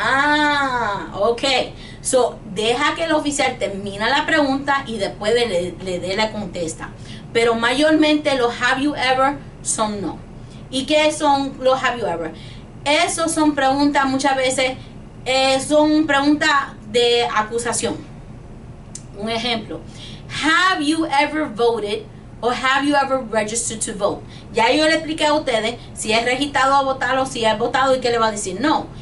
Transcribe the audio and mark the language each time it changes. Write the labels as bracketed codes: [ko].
[es] Ah, ok. So, deja que el oficial termine la pregunta y después le dé la contesta. Pero mayormente los [en] have you ever [es] son no. ¿Y qué son los have you ever? Esos son preguntas muchas veces, son preguntas de acusación. Un ejemplo. [en] Have you ever voted or have you ever registered to vote? [es] Ya yo le expliqué a ustedes si es registrado a votar o si es votado y qué le va a decir no.